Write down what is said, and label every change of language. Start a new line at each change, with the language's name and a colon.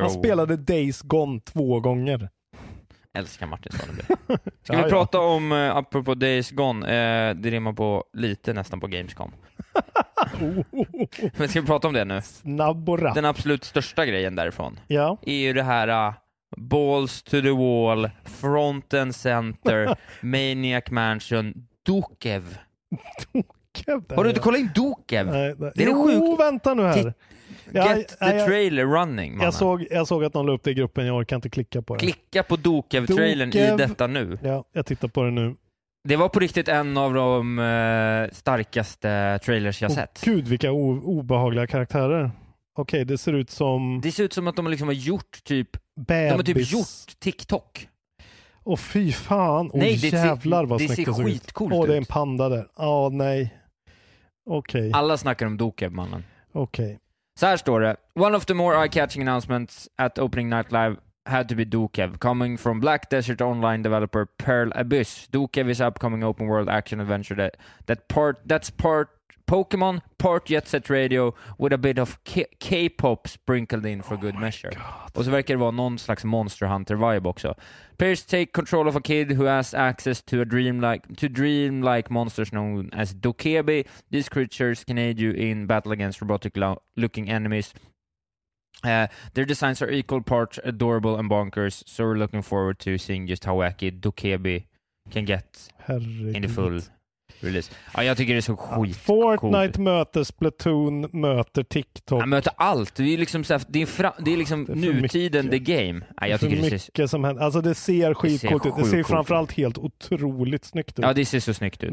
Swedish: Han spelade Days Gone 2 gånger. Älskar Martin Sonneby. Ska vi prata om, apropå Days Gone, det rimmar på lite nästan på Gamescom. Men ska vi prata om det nu? Snabb och rapp. Den absolut största grejen därifrån är ju det här...
English: Balls to the wall, front and center, Maniac Mansion, Dokev.
Swedish: Dokev? Har du inte kollat in Dokev? Nej, nej. Jo, vänta nu här.
English: Trailer running,
Swedish: mannen. Jag såg att någon la upp det i gruppen, jag orkar inte klicka på det. Klicka på Dokev-trailern i detta nu. Ja, jag tittar på det nu. Det var på riktigt en av de starkaste trailers jag sett. Gud, vilka obehagliga karaktärer. Okej, det ser ut som... Det ser ut som att de liksom har gjort typ... Bebis. De har typ gjort TikTok. Åh fy fan. Åh, nej, jävlar vad snyggt det ser ut. Åh, det är en panda där. Ja, nej. Okej. Alla snackar om Dokev, mannen. Okej. Så här står det.
English: One of the more eye-catching announcements at opening night live had to be Dokev. Coming from Black Desert Online developer Pearl Abyss. Dokev is upcoming open world action adventure that's part Pokemon, part Jet Set Radio with a bit of K-pop sprinkled in for good measure. God.
Swedish: Och så verkar det vara någon slags Monster Hunter vibe också.
English: Players take control of a kid who has access to a dreamlike monsters known as Dokebi. These creatures can aid you in battle against robotic looking enemies. Their designs are equal parts adorable and bonkers, so we're looking forward to seeing just how wacky Dokebi can get.
Swedish: Herregud.
English: In the full release.
Swedish: Ja, jag tycker det är så skitcoolt. Fortnite möter Splatoon, möter TikTok. Ja, möter allt. Det är liksom, så här, det är liksom det är nutiden, mycket.
English: The game.
Swedish: Ja, jag det är tycker för mycket det som händer. Alltså det ser skitcoolt ut. Det ser framförallt helt otroligt snyggt ut. Ja, det ser så snyggt ut.